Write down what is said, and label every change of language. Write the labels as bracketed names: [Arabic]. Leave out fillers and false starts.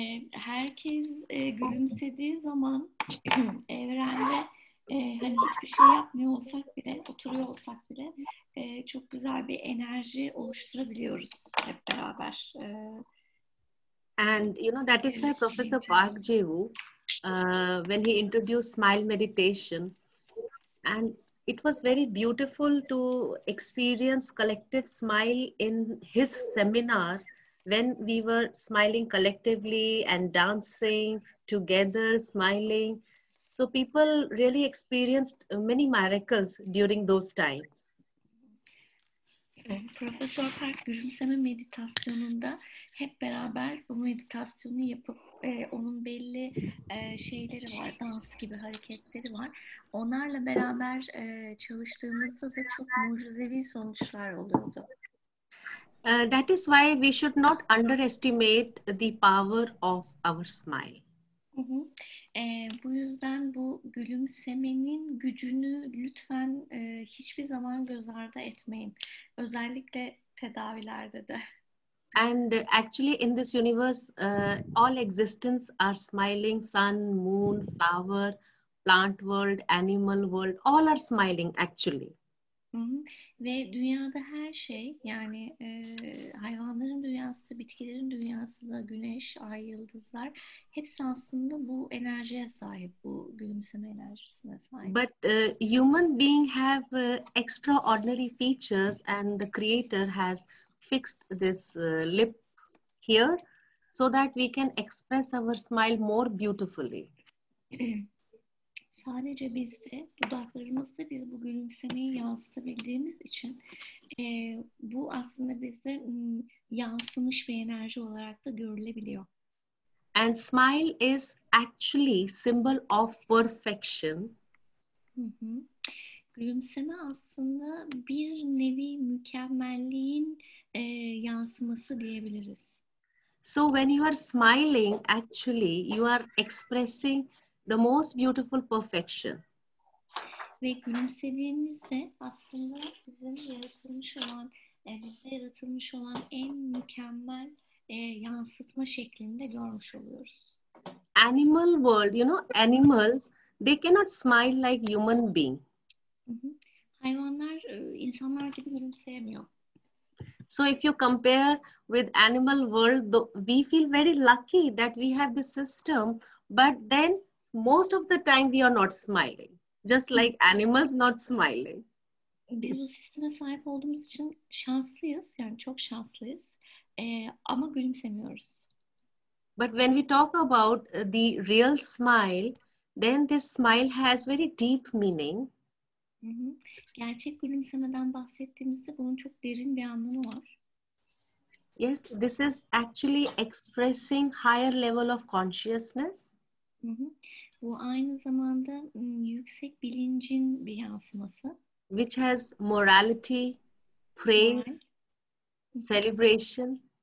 [Turkish] Herkes gülümsediği zaman evrende hani hiçbir şey yapmıyor olsak bile, oturuyor olsak bile çok güzel bir enerji oluşturabiliyoruz hep beraber. [English] And you know, that is why Professor Park Jae-woo, when he introduced smile meditation, and it was very beautiful to experience collective smile in his seminar when we were smiling collectively and dancing together, smiling. So people really experienced many miracles during those times. [Turkish] Profesör Park gülümseme meditasyonunda hep beraber bu meditasyonu yapıp onun belli şeyleri var, dans gibi hareketleri var. Onlarla beraber çalıştığımızda da çok mucizevi sonuçlar oluyordu. [English] That is why we should not underestimate the power of our smile. [Turkish] Bu yüzden bu gülümsemenin gücünü lütfen hiçbir zaman göz ardı etmeyin. Özellikle tedavilerde de. [English] And actually in this universe, all existence are smiling. Sun, moon, flower, plant world, animal world, all are smiling actually. [Turkish] Ve dünyada her şey, yani hayvanların dünyası da, bitkilerin dünyası da, güneş, ay, yıldızlar, hepsi aslında bu enerjiye sahip, bu gülümseme enerjisine sahip. [English] But human being have extraordinary features, and the creator has fixed this lip here so that we can express our smile more beautifully. [Turkish] Sadece bizde, dudaklarımızda biz bu gülümsemeyi yansıtabildiğimiz için bu aslında bizde yansımış bir enerji olarak da görülebiliyor. [English] And smile is actually symbol of perfection. [Turkish] Gülümseme aslında bir nevi mükemmelliğin yansıması diyebiliriz. [English] So when you are smiling, actually you are expressing the most beautiful perfection. [Turkish] Ve gülümsediğimizde aslında bizim yaratılmış olan, bize yaratılmış olan en mükemmel yansıtma şeklinde görmüş oluyoruz. [English] Animal world, you know, animals, they cannot smile like human being. [Turkish] Hayvanlar insanlar gibi gülümseyemiyor. [English] So if you compare with animal world, we feel very lucky that we have this system, but then most of the time we are not smiling, just like animals not smiling. [Turkish] Biz bu sisteme sahip olduğumuz için şanslıyız, yani çok şanslıyız. Ama gülümsemiyoruz. [English] But when we talk about the real smile, then this smile has very deep meaning. [Turkish] Gerçek gülümsemeden bahsettiğimizde bunun çok derin bir anlamı var. [English] Yes, this is actually expressing higher level of consciousness. [Turkish] Bu aynı zamanda yüksek bilincin bir yansıması. [English] Which has morality, praise, celebration.